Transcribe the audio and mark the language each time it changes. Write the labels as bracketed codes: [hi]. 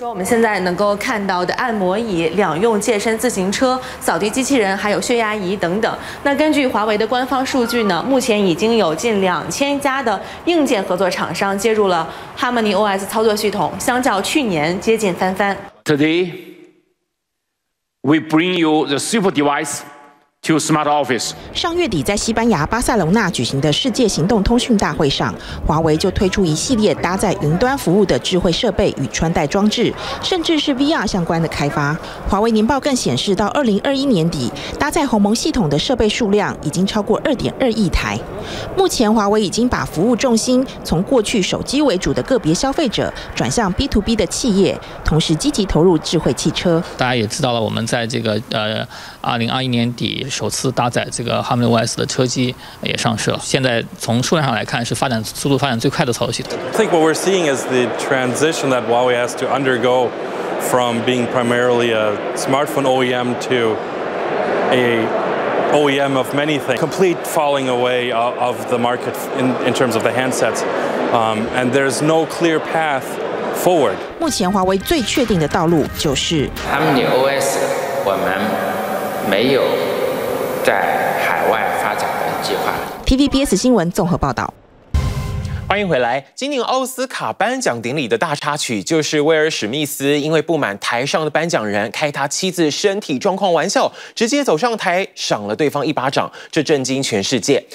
[zh] 我们现在能够看到的按摩椅、两用健身自行车、扫地机器人还有血压仪等等。那根据华为的官方数据呢，目前已经有近2000家的硬件合作厂商接入了 Harmony OS 操作系统，相较去年接近翻番。 [en] We bring you the super device to smart office. [zh] 上月底在西班牙巴塞隆纳举行的世界行动通讯大会上，华为就推出一系列搭载云端服务的智慧设备与穿戴装置，甚至是 VR 相关的开发。华为年报更显示，到2021年底，搭载鸿蒙系统的设备数量已经超过2.2亿台。目前，华为已经把服务重心从过去手机为主的个别消费者，转向 B2B 的企业，同时积极投入智慧汽车。大家也知道了，我们在这个2021年底。首次搭载这个 Harmony OS 的车机也上市了。现在从数量上来看，是发展速度发展最快的操作系统。 [en] I think what we're seeing is the transition that Huawei has to undergo from being primarily a smartphone OEM to a OEM of many things. Complete falling away of the market in terms of the handsets, and there's no clear path forward. [zh] 目前华为最确定的道路就是 Harmony OS， 我们没有。在海外发展的计划。 TVBS 新闻综合报道。欢迎回来。今年奥斯卡颁奖典礼的大插曲，就是威尔史密斯因为不满台上的颁奖人开他妻子身体状况玩笑，直接走上台赏了对方一巴掌，这震惊全世界。